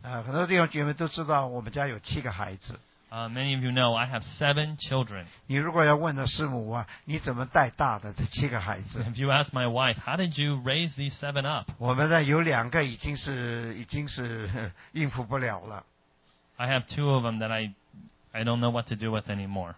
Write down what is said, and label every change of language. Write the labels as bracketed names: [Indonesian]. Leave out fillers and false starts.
[Chinese] 很多弟兄姐妹都知道我们家有七个孩子。 [English] Many of you know I have 7 children. [Chinese] 你如果要问了师母啊，你怎么带大的这七个孩子 [English] ？If you ask my wife, how did you raise these 7 up? [Chinese] 我们呢有两个已经是应付不了了。 [English] I have 2 of them that I don't know what to do with anymore.